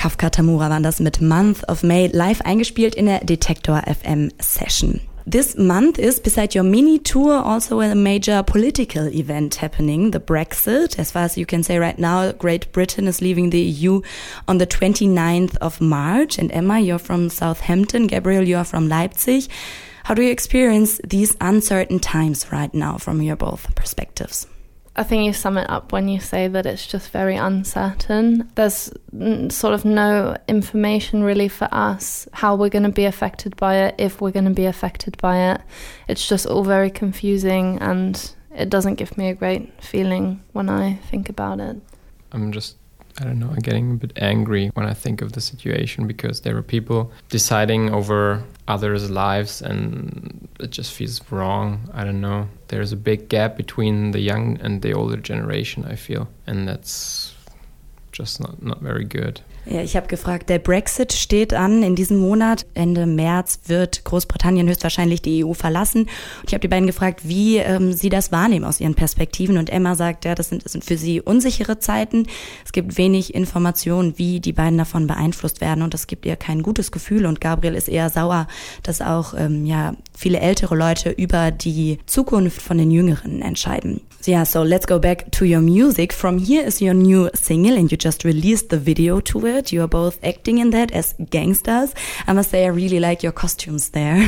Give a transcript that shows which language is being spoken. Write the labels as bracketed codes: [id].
[de] Tamura waren das mit Month of May live eingespielt in der Detektor FM Session. [en] This month is, beside your mini tour, also a major political event happening, the Brexit. As far as you can say right now, Great Britain is leaving the EU on the 29th of March. And Emma, you're from Southampton. Gabriel, you are from Leipzig. How do you experience these uncertain times right now from your both perspectives? I think you sum it up when you say that it's just very uncertain. There's sort of no information really for us, how we're going to be affected by it, if we're going to be affected by it. It's just all very confusing, and it doesn't give me a great feeling when I think about it. I'm getting a bit angry when I think of the situation, because there are people deciding over others' lives and it just feels wrong. I don't know. There's a big gap between the young and the older generation, I feel. And that's just not very good. [de] Ja, ich habe gefragt, der Brexit steht an in diesem Monat. Ende März wird Großbritannien höchstwahrscheinlich die EU verlassen. Und ich habe die beiden gefragt, wie sie das wahrnehmen aus ihren Perspektiven. Und Emma sagt, ja, das sind für sie unsichere Zeiten. Es gibt wenig Informationen, wie die beiden davon beeinflusst werden. Und das gibt ihr kein gutes Gefühl. Und Gabriel ist eher sauer, dass auch viele ältere Leute über die Zukunft von den Jüngeren entscheiden. [en] So, let's go back to your music. From here is your new single. And you just released the video to it. You are both acting in that as gangsters. I must say, I really like your costumes there.